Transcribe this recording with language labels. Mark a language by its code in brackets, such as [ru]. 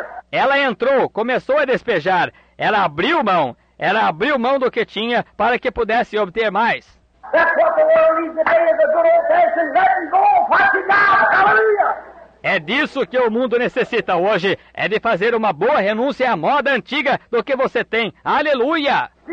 [pt] Ela entrou, começou a despejar. Ela abriu mão do que tinha para que pudesse obter mais. [en] That's what the world needs today is a good old-fashioned letting go of what you got. Hallelujah! [pt] É disso que o mundo necessita hoje. É de fazer uma boa renúncia à moda antiga do que você tem. Aleluia!